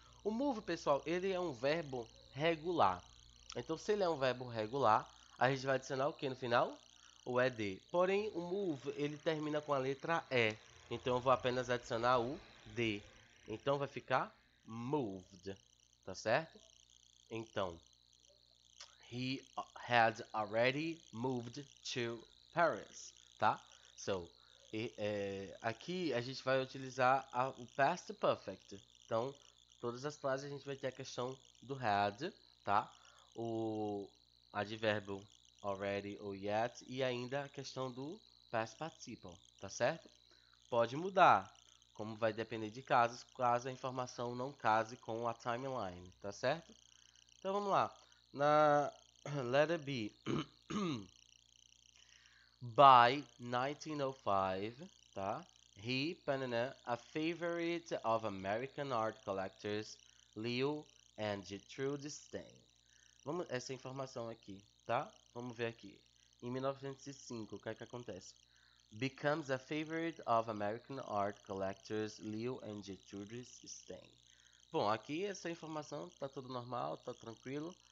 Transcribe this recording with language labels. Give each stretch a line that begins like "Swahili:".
Portuguese: O move, pessoal, ele é um verbo regular. Então, se ele é um verbo regular, a gente vai adicionar o que no final? O ed. Porém, o move, ele termina com a letra e. Então, eu vou apenas adicionar o d. Então, vai ficar moved, tá certo?
English: Então, he had already moved to Paris, tá?
Portuguese: So, aqui a gente vai utilizar o past perfect. Então, todas as frases a gente vai ter a questão do had, tá? O advérbio already ou yet e ainda a questão do past participle, tá certo? Pode mudar. Como vai depender de casos, caso a informação não case com a timeline, tá certo? Então vamos lá. Na letter B.
English: By 1905, tá? He penned a favorite of American art collectors, Leo and Gertrude Stein.
Portuguese: Vamos essa informação aqui, tá? Vamos ver aqui. Em 1905, o que é que acontece?
English: Becomes a favorite of American art collectors, Leo and Gertrude Stein.
Portuguese: Bom, aqui essa informação tá tudo normal, tá tranquilo.